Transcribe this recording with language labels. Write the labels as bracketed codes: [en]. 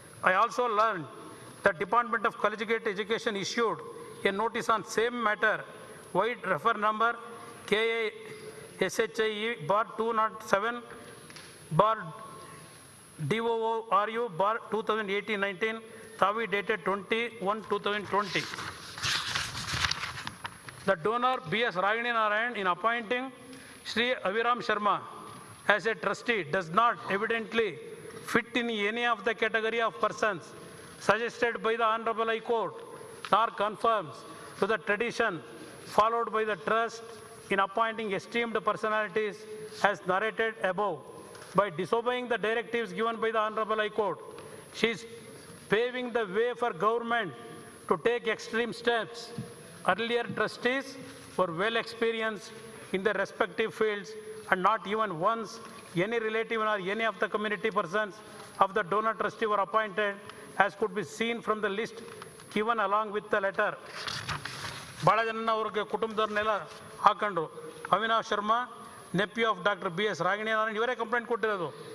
[en] I also learn the department of collegiate education issued a notice on same matter vide refer number KASHIE/2077/DOORU/2018-19 Tavi dated 21-2020. The donor B.S. Ragini Narayan in appointing Shri Aviram Sharma as a trustee does not evidently fit in any of the category of persons suggested by the Honorable High Court nor confirms to the tradition followed by the trust in appointing esteemed personalities as narrated above. By disobeying the directives given by the Honorable High Court, she is paving the way for government to take extreme steps. Earlier trustees were well experienced in their respective fields and not even once any relative or any of the community persons of the donor trustee were appointed, as could be seen from the list given along with the letter. [kn] ಬಹಳ ಜನ ಅವ್ರಿಗೆ ಕುಟುಂಬದವ್ರನ್ನೆಲ್ಲ ಹಾಕೊಂಡ್ರು. Avinash Sharma [en] nephew of [kn] doctor B S Ragini Narayana, ಇವರೇ complaint ಕೊಟ್ಟಿರೋದು.